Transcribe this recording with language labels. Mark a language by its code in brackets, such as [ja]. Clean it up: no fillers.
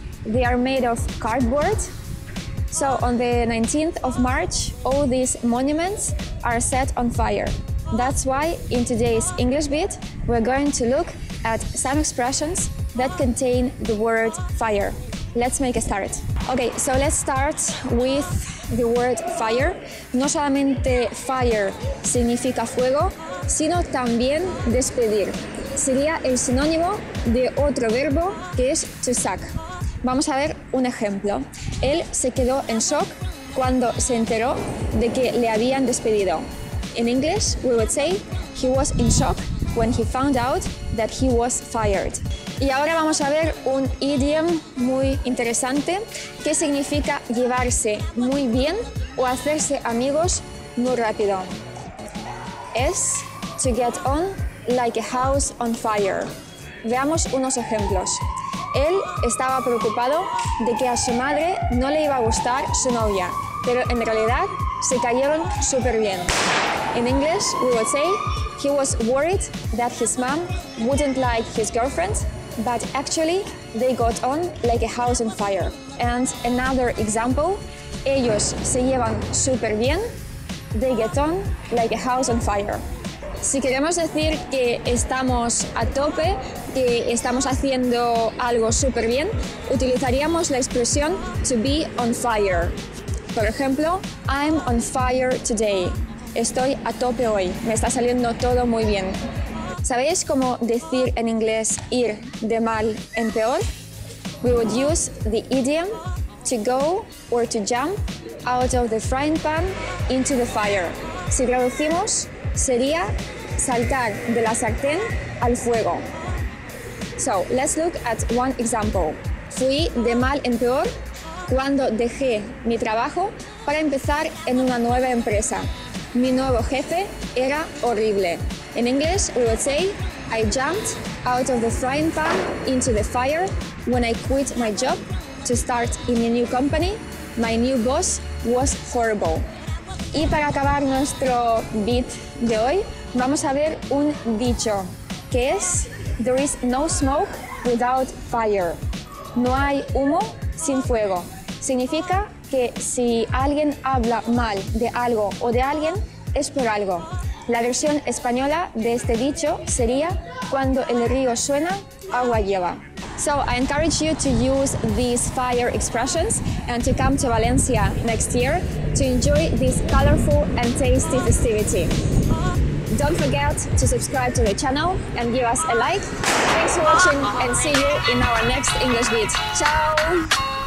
[en] They are made of cardboard. So on the 19th of March, all these monuments are set on fire. That's why in today's English bit, we're going to look at some expressions that contain the word fire. Let's make a start. Okay, so let's start with the word fire. [es] No solamente fire significa fuego, sino también despedir. Sería el sinónimo de otro verbo que es to suck. Vamos a ver un ejemplo. Él se quedó en shock cuando se enteró de que le habían despedido. [en] In English, we would say he was in shock when he found out that he was fired. [es] Y ahora vamos a ver un idiom muy interesante que significa llevarse muy bien o hacerse amigos muy rápido. Es [en] to get on like a house on fire. [es] Veamos unos ejemplos. Él estaba preocupado de que a su madre no le iba a gustar su novia, pero en realidad se cayeron súper bien. [en] In English, we would say he was worried that his mom wouldn't like his girlfriend, but actually they got on like a house on fire. And another example, [es] ellos se llevan súper bien, [en] they get on like a house on fire. [es] Si queremos decir que estamos a tope, que estamos haciendo algo súper bien, utilizaríamos la expresión [en] to be on fire. [es] Por ejemplo, [en] I'm on fire today. [es] Estoy a tope hoy, me está saliendo todo muy bien. ¿Sabéis cómo decir en inglés ir de mal en peor? [en] We would use the idiom to go or to jump out of the frying pan into the fire. [es] Si traducimos, sería saltar de la sartén al fuego. [en] So, let's look at one example. [es] Fui de mal en peor cuando dejé mi trabajo para empezar en una nueva empresa. Mi nuevo jefe era horrible. [en] In English, we would say, I jumped out of the frying pan into the fire when I quit my job to start in a new company. My new boss was horrible. [es] Y para acabar nuestro beat de hoy, vamos a ver un dicho, que es, [en] there is no smoke without fire. [es] No hay humo sin fuego. Significa que si alguien habla mal de algo o de alguien, es por algo. La versión española de este dicho sería cuando el río suena, agua lleva. [en] So I encourage you to use these fire expressions and to come to Valencia next year to enjoy this colorful and tasty festivity. Don't forget to subscribe to the channel and give us a like. Thanks for watching and see you in our next English beat. Ciao!